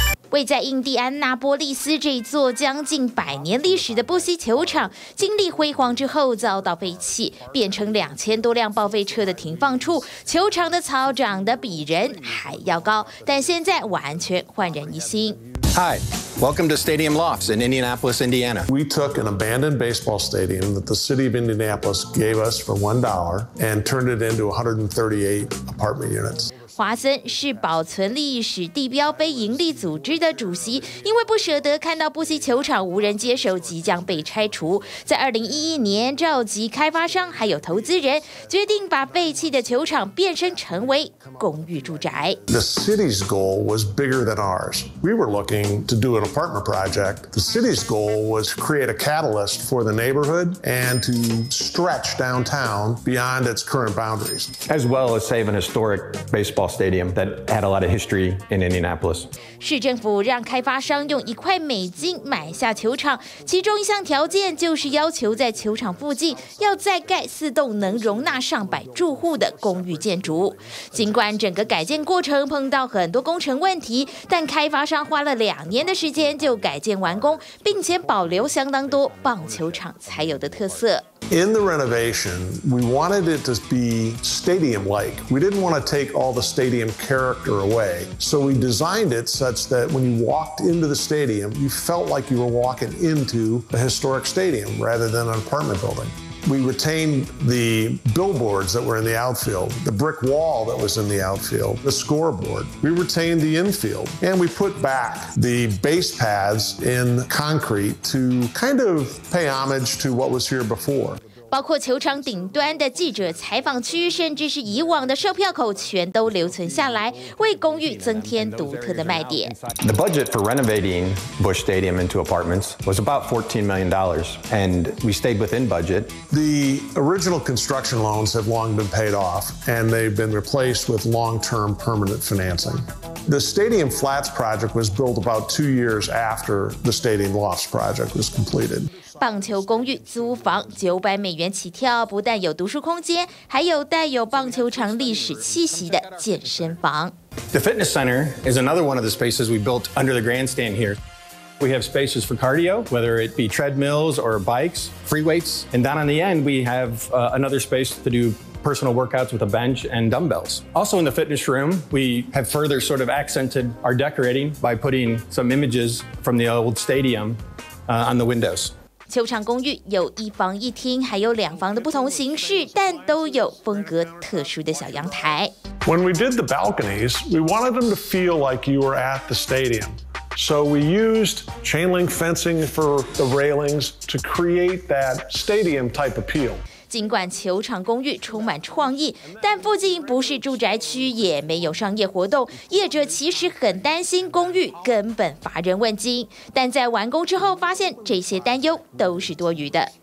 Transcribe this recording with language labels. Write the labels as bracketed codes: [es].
[zh] 位在印第安纳波利斯这座将近百年历史的波西球场，经历辉煌之后遭到废弃，变成2000多辆报废车的停放处。球场的草长得比人还要高，但现在完全焕然一新。 [en] Hi, welcome to Stadium Lofts in Indianapolis, Indiana. We took an abandoned baseball stadium that the city of Indianapolis gave us for $1 and turned it into 138 apartment units. [zh] 华森是保存历史地标非营利组织的主席，因为不舍得看到布西球场无人接手，即将被拆除。在2011年，召集开发商还有投资人，决定把废弃的球场变身成为公寓住宅。 [en] The city's goal was bigger than ours. We were looking to do an apartment project. The city's goal was to create a catalyst for the neighborhood and to stretch downtown beyond its current boundaries. As well as save an historic baseball. Stadium that had a lot of history in Indianapolis. [zh] 市政府让开发商用$1买下球场，其中一项条件就是要求在球场附近要再盖4栋能容纳上百住户的公寓建筑。尽管整个改建过程碰到很多工程问题，但开发商花了2年的时间就改建完工，并且保留相当多棒球场才有的特色。 [en] In the renovation, we wanted it to be stadium-like. We didn't want to take all the stadium character away. So we designed it such that when you walked into the stadium, you felt like you were walking into a historic stadium rather than an apartment building. We retained the billboards that were in the outfield, the brick wall that was in the outfield, the scoreboard. We retained the infield, and we put back the base pads in concrete to kind of pay homage to what was here before. 包括球场顶端的记者采访区，甚至是以往的售票口，全都留存下来，为公寓增添独特的卖点。 The budget for renovating Busch Stadium into apartments was about $14 million, and we stayed within budget. The original construction loans have long been paid off, and they've been replaced with long-term permanent financing. The Stadium Flats project was built about 2 years after the Stadium Lofts project was completed. [zh] 棒球公寓租房$900起跳，不但有读书空间，还有带有棒球场历史气息的健身房。 [en] The fitness center is another one of the spaces we built under the grandstand here. We have spaces for cardio, whether it be treadmills or bikes, free weights, and down on the end we have another space to do personal workouts with a bench and dumbbells. Also in the fitness room, we have further sort of accented our decorating by putting some images from the old stadium on the windows. [zh] 球场公寓有一房一厅，还有两房的不同形式，但都有风格特殊的小阳台。 [en] When we did the balconies, we wanted them to feel like you were at the stadium. So we used chain link fencing for the railings to create that stadium type appeal. [zh] 尽管球场公寓充满创意，但附近不是住宅区，也没有商业活动，业者其实很担心公寓根本乏人问津。但在完工之后，发现这些担忧都是多余的。